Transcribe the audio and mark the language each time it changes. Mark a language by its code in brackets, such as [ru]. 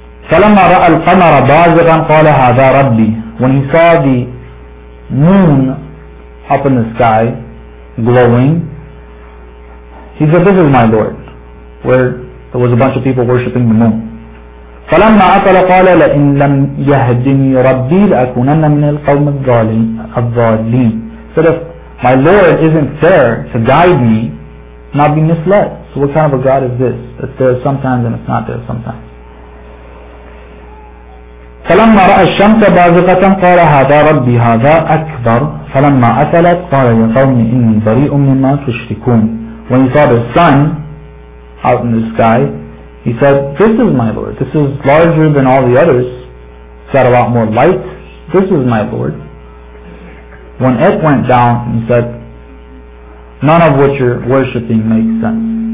[ar] فَلَمَّا رَأَى الْقَمَرَ بَازِغًا قَالَ هَذَا رَبِّي, [en] when he saw the moon up in the sky glowing, he said, this is my Lord, where there was a bunch of people worshipping the moon. [ar] فَلَمَّا أَكَلَ قَالَ لَإِنْ لَمْ يَهْدِنِي رَبِّي لَأَكُونَنَّ مِنَ الْقَوْمِ الظَّالِمِينَ, [en] my Lord isn't there to guide me, not be misled. So what kind of a God is this? It's there sometimes and it's not there sometimes. [ar] فَلَمَّا رَأَى الشَّمْسَ بَازِغَةً قَالَ هَذَا رَبِّي هَذَا أَكْبَرُ فَلَمَّا أَثَلَتْ قَالَ يَا قَوْمِ إِنِّي بَرِيءٌ مِّمَّا تُشْرِكُونَ, [en] when he saw the sun out in the sky, He said, this is my Lord. This is larger than all the others. It's got a lot more light. This is my Lord. When it went down, he said, none of what you're worshipping makes sense.